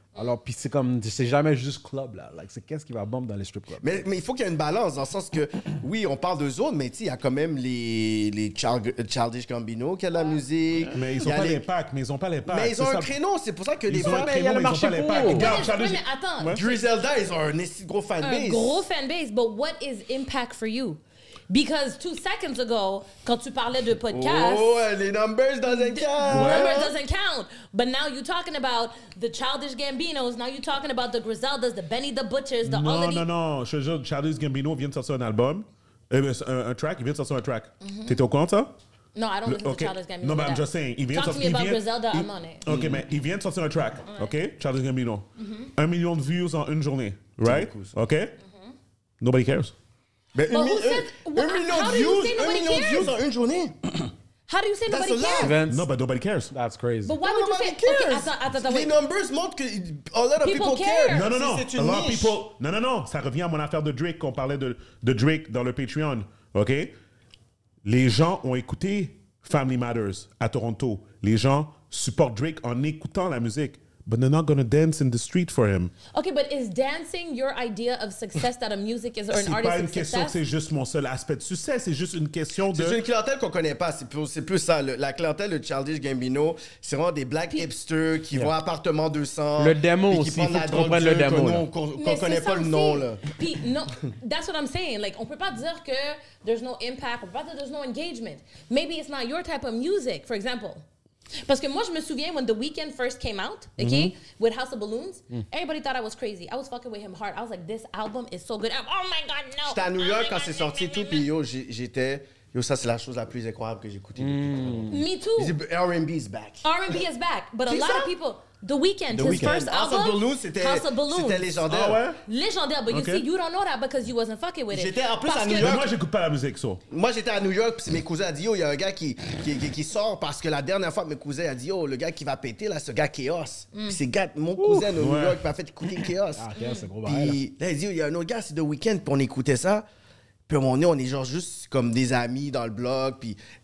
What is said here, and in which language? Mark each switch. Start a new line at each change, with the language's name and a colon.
French: Alors, puis c'est comme, c'est jamais juste club, là. Like, c'est qu'est-ce qui va bump dans les strip clubs. Mais il faut qu'il y ait une balance, dans le sens que, oui, on parle de zone, mais tu sais, il y a quand même les Childish Gambino qui a de la musique. Mais ils n'ont pas l'impact, mais ils n'ont pas l'impact. Mais ils ont un créneau, c'est pour ça que les fans, mais il y a le marché pour. Mais attends. Griselda, ils ont un esti gros fanbase. Un gros fanbase,
English: but what is impact for you? Because 2 seconds ago,
French: quand tu parlais de podcast...
English: Oh, les numbers doesn't count. Numbers doesn't count. But now you're talking about the Childish Gambinos. Now you're talking about the Griseldas, the Benny the Butchers, the...
French: Non. Je te jure, Childish Gambino vient de sortir un album. Un track, il vient de sortir un track. T'étais au courant, ça?
English: No, I don't listen to Childish Gambino. No, but I'm just saying. Talk to me about Griselda, I'm on it.
French: Okay, mais il vient de sortir un track, okay? Childish Gambino. 1 million de views en une journée, right? Okay?
English: Nobody cares.
French: Mais well, un million de views en une journée.
English: How do you say nobody cares? No, but nobody cares. That's crazy. But why would nobody you say... Cares. Okay,
French: attends, les numbers montrent que
English: a lot of people care. Non. Si a lot of people... Non.
French: Ça revient à mon affaire de Drake, qu'on parlait de Drake dans le Patreon. OK? Les gens ont écouté Family Matters à Toronto. Les gens supportent Drake en écoutant la musique.
English: But they're not going to dance in the street for him. Okay, but is dancing your idea of success that a music is or an artist is success?
French: C'est pas une question, c'est juste mon seul aspect de succès. C'est juste une question de... C'est une clientèle qu'on connaît pas. C'est plus ça. La clientèle de Childish Gambino, c'est vraiment des black hipsters qui vont à appartement 200. Le démo aussi, il faut que tu comprennes le démo. Qu'on connaît pas le nom, là. Puis, non,
English: that's what I'm saying. Like,
French: on peut pas dire que
English: there's no impact,
French: on peut pas dire
English: there's no engagement. Maybe it's not your type of music, for example.
French: Parce que moi, je me souviens,
English: when The Weeknd first came out, okay, with House of Balloons, everybody thought I was crazy. I was fucking with him hard. I was like, this album is so good. Oh my God, no.
French: J'étais à New York quand c'est sorti tout, puis yo, j'étais, yo, ça, c'est la chose la plus incroyable que j'ai écouté.
English: Me too. R&B is back. R&B is back. But a lot of people, The Weeknd, his first album,
French: House of Balloons, c'était légendaire. Ah ouais?
English: Légendaire, but you see, you don't know that because you wasn't fucking with it.
French: J'étais en plus à New York. Moi, j'écoute pas la musique, ça. Moi, j'étais à New York, puis mes cousins ont dit, yo, il y a un gars qui sort parce que la dernière fois, mes cousins ont dit, yo, le gars qui va péter, là, ce gars Chaos. Puis c'est mon cousin de New York qui m'a fait écouter Chaos. Ah, Chaos, c'est gros bail. Puis il a dit, yo, il y a un autre gars, c'est The Weeknd, puis on écoutait ça. Puis à un moment donné, on est genre juste comme des amis dans le bloc, puis...